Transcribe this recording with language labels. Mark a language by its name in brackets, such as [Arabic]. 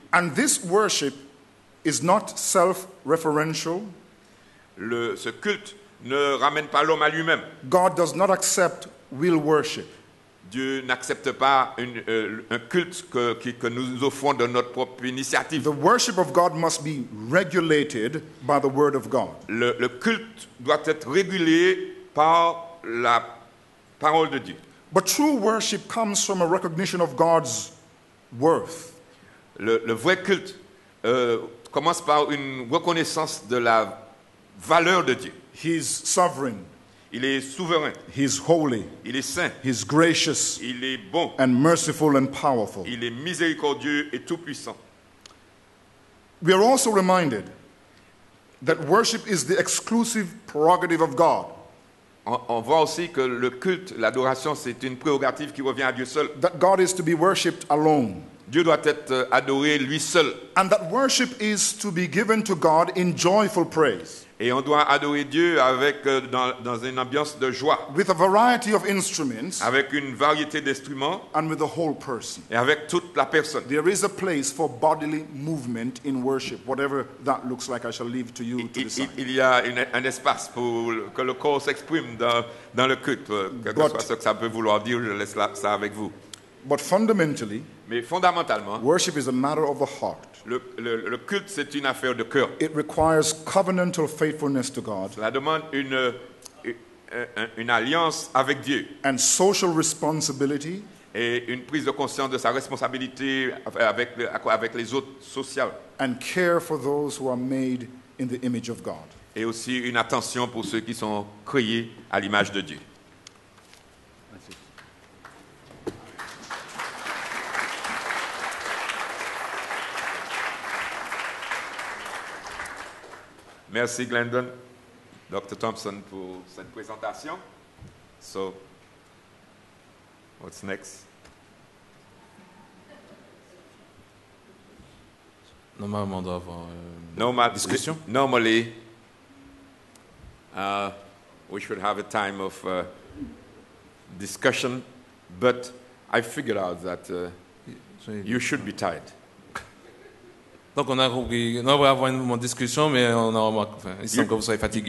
[English] And this worship is not self-referential. [French] Ce culte ne ramène pas l'homme à lui-même. [English] God does not accept will worship. [French] Dieu n'accepte pas un culte que nous offrons de notre propre initiative. [English] The worship of God must be regulated by the word of God. [French] Le culte doit être régulé par la parole de Dieu. [English] But true worship comes from a recognition of God's worth. [French] Le vrai culte commence par une reconnaissance de la valeur de Dieu. [English] He's sovereign. [French] Il est souverain. [English] He's holy. [French] Il est saint. [English] He's gracious. [French] Il est bon. [English] And merciful and powerful. [French] Il est miséricordieux et tout puissant. [English] We are also reminded that worship is the exclusive prerogative of God. [French] On voit aussi que le culte, l'adoration, c'est une prérogative qui revient à Dieu seul. [English] That God is to be worshipped alone. [French] Dieu doit être adoré lui seul. [English] And that worship is to be given to God in joyful praise. [French] Et on doit adorer Dieu avec dans une ambiance de joie. [English] With a variety of instruments. [French] Avec une variété d'instruments. [English] And with the whole person. [French] Et avec toute la personne. [English] There is a place for bodily movement in worship, whatever that looks like. I shall leave to you to decide. [French] Il y a un espace pour que le corps s'exprime dans le culte, quelque soit ce que ça peut vouloir dire. Je laisse ça avec vous. [English] But fundamentally. [French] Mais fondamentalement, [English] worship is a matter of the heart. [French] Le culte, c'est une affaire de cœur. [English] It requires covenantal faithfulness to God. [French] Cela demande une alliance avec Dieu. [English] And social responsibility. [French] Et une prise de conscience de sa responsabilité avec les autres sociales. [English] And care for those who are made in the image of God. [French] Et aussi une attention pour ceux qui sont créés à l'image de Dieu. Merci, Glendon, Dr. Thompson, pour cette présentation. [English] So, what's next? [French] Normalement, on doit avoir discussion. [English] Normally, we should have a time of discussion, but I figured out that you should be tired. [French] Donc on a compris, non, on va avoir une discussion, mais on a remarqué, enfin, il semble que vous soyez fatigué.